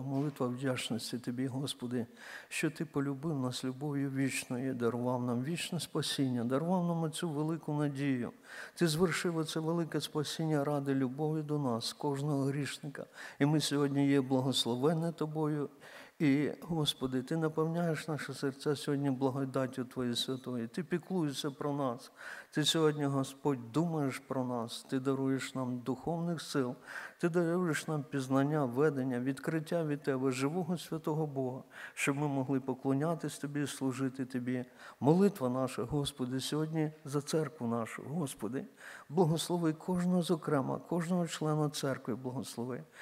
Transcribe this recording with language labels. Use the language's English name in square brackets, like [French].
[Ukrainian] Молитва вдячності тобі, Господи, що ти полюбив нас любов'ю вічною і дарував нам вічне спасіння, дарував нам цю велику надію. Ти звершив оце велике спасіння ради любові до нас, кожного грішника. І ми сьогодні є благословені тобою [Russian] И, Господи, Ты наполняешь наши сердца сегодня благодатью Твоей Святой. Ты пеклуешься про нас. Ты сегодня, Господь, думаешь про нас. Ты даруешь нам духовных сил. Ты даруешь нам [Ukrainian] пізнання, ведення, відкриття від Тебе, живого святого Бога, щоб ми могли поклонятись Тобі, служити Тобі. Молитва наша, Господи, сьогодні за церкву нашу, Господи, благослови кожного зокрема, кожного члена церкви благослови.